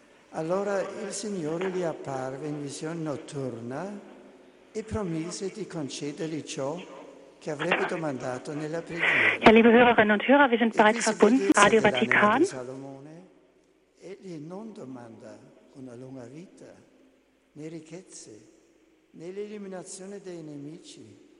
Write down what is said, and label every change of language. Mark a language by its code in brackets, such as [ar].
[it] Allora il Signore gli apparve in visione notturna e promise di concedergli ciò che avrebbe domandato nella preghiera. [de] Ja, liebe Hörerinnen und Hörer, wir sind bereits verbunden, Radio Vatikan. [it] Salomone, egli non domanda una lunga vita, né ricchezze, né l'eliminazione dei nemici.